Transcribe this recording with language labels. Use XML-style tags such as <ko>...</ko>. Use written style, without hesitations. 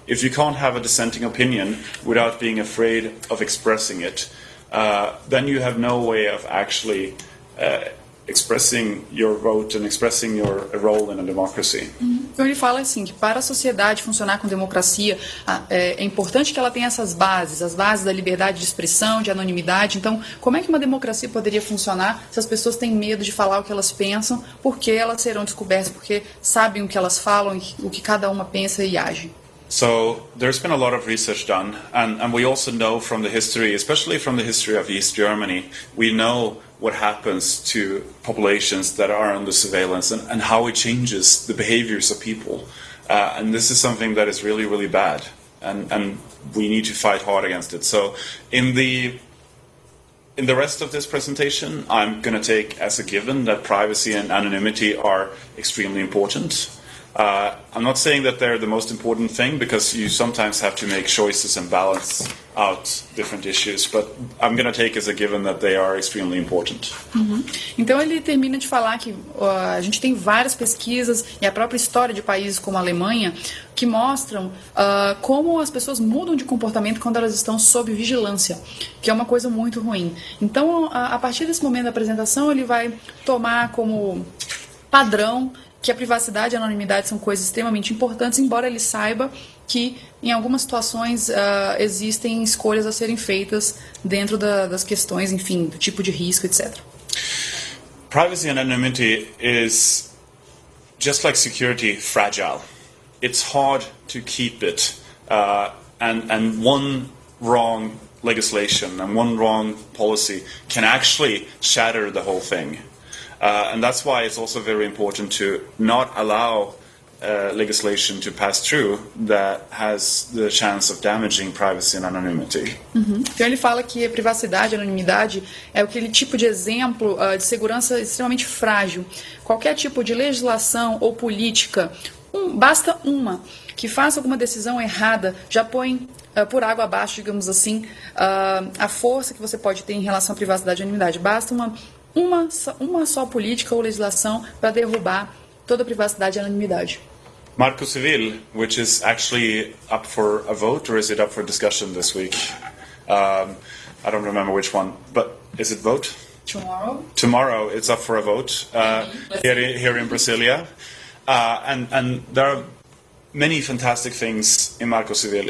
<en>If you can't have a dissenting opinion without being afraid of expressing it, then you have no way of actually expressing your vote and expressing your role in a democracy.</en> <pt>Então ele fala assim, que para a sociedade funcionar com democracia, é importante que ela tenha essas bases, as bases da liberdade de expressão, de anonimidade. Então, como é que uma democracia poderia funcionar se as pessoas têm medo de falar o que elas pensam, porque elas serão descobertas, porque sabem o que elas falam, o que cada uma pensa e age?</pt> <en>So, there's been a lot of research done, and we also know from the history, especially from the history of East Germany, we know what happens to populations that are under surveillance and how it changes the behaviors of people. And this is something that is really, really bad, and we need to fight hard against it. So, in the rest of this presentation, I'm going to take as a given that privacy and anonymity are extremely important. I'm not saying that they're the most important thing, because you sometimes have to make choices and balance out different issues, but I'm going to take as a given that they are extremely important.</en> <pt>Então ele termina de falar que a gente tem várias pesquisas e a própria história de países como a Alemanha que mostram como as pessoas mudam de comportamento quando elas estão sob vigilância, que é uma coisa muito ruim. Então a partir desse momento da apresentação ele vai tomar como padrão que a privacidade e a anonimidade são coisas extremamente importantes, embora ele saiba que em algumas situações existem escolhas a serem feitas dentro das questões, enfim, do tipo de risco, etc.</pt> <en>Privacy and anonymity is just like security, fragile. It's hard to keep it. And one wrong legislation and one wrong policy can actually shatter the whole thing. And that's why it's also very important to not allow legislation to pass through that has the chance of damaging privacy and anonymity.</en> <pt>Então ele fala que a privacidade e anonimidade é aquele tipo de exemplo de segurança extremamente frágil. Qualquer tipo de legislação ou política, basta uma que faça alguma decisão errada, já põe por água abaixo, digamos assim, a força que você pode ter em relação à privacidade e anonimidade. Basta uma só política ou legislação para derrubar toda a privacidade e anonimidade.</pt> <en>Marco Civil, which is actually up for a vote, or is it up for discussion this week? I don't remember which one, but is it vote? Tomorrow it's up for a vote here in Brasilia. And there are many fantastic things in Marco Civil.</en>